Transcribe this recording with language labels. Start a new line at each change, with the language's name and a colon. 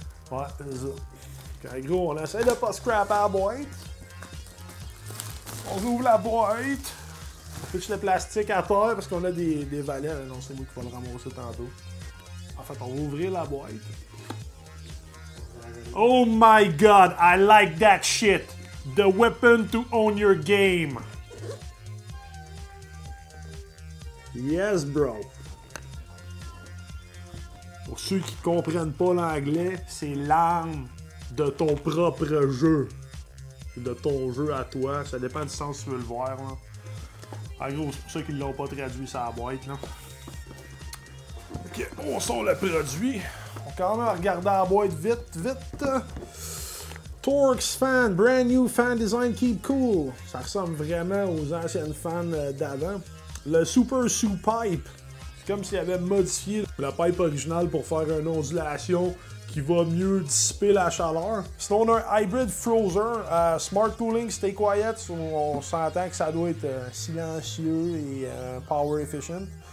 French: Ouais, c'est ça. En gros, on essaie de pas scrapper la boîte. On ouvre la boîte. On pitch le plastique à terre parce qu'on a des valets. Non, c'est moi qui vais le ramasser tantôt. En fait, on va ouvrir la boîte.
English: Oh my god, I like that shit. The weapon to own your game. Yes, bro.
French: Pour ceux qui comprennent pas l'anglais, c'est l'arme de ton propre jeu. De ton jeu à toi, ça dépend du sens où tu veux le voir. Là. En gros, c'est pour ça qu'ils l'ont pas traduit sa boîte. Là. Ok, on sort le produit. On va quand même regarder la boîte vite.
English: Torx fan, brand new fan design, keep cool.
French: Ça ressemble vraiment aux anciennes fans d'avant. Le Super Sue Pipe, c'est comme s'il avait modifié la pipe originale pour faire une ondulation qui va mieux dissiper la chaleur. Sinon, on a un Hybrid Frozer,
English: Smart Cooling, Stay Quiet.
French: On s'entend que ça doit être silencieux et
English: power efficient.